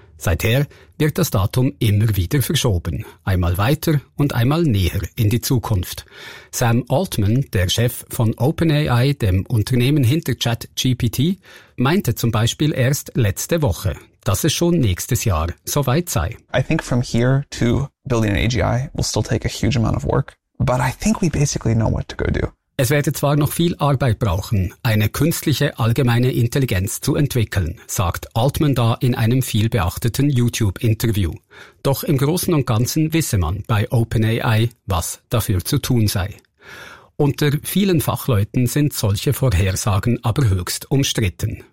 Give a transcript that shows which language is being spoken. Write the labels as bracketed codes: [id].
[de] Seither wird das Datum immer wieder verschoben, einmal weiter und einmal näher in die Zukunft. Sam Altman, der Chef von OpenAI, dem Unternehmen hinter ChatGPT, meinte zum Beispiel erst letzte Woche, dass es schon nächstes Jahr soweit sei. [en] I think from here to building an AGI will still take a huge amount of work, but I think we basically know what to go do. [de] Es werde zwar noch viel Arbeit brauchen, eine künstliche allgemeine Intelligenz zu entwickeln, sagt Altman da in einem vielbeachteten YouTube-Interview. Doch im Großen und Ganzen wisse man bei OpenAI, was dafür zu tun sei. Unter vielen Fachleuten sind solche Vorhersagen aber höchst umstritten.